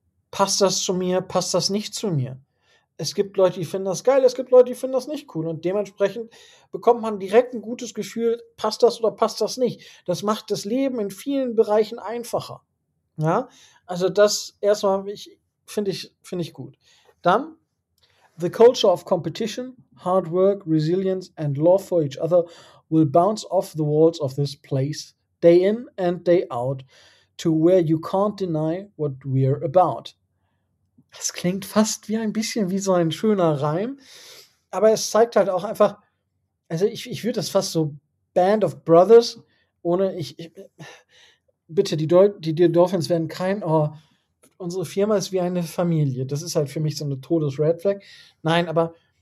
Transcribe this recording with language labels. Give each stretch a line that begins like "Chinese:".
German: Passt das zu mir, passt das nicht zu mir? Es gibt Leute, die finden das geil, es gibt Leute, die finden das nicht cool. Und dementsprechend bekommt man direkt ein gutes Gefühl, passt das oder passt das nicht. Das macht das Leben in vielen Bereichen einfacher. Ja, also das erstmal finde ich gut.
English: Dann, the culture of competition, hard work, resilience and love for each other will bounce off the walls of this place, day in and day out, to where you can't deny what we're about.
German: Das klingt fast wie ein bisschen wie so ein schöner Reim, aber es zeigt halt auch einfach, also ich würde das fast so Band of Brothers, ohne, die Dolphins werden unsere Firma ist wie eine Familie, das ist halt für mich so eine Todes-Red Flag, nein, aber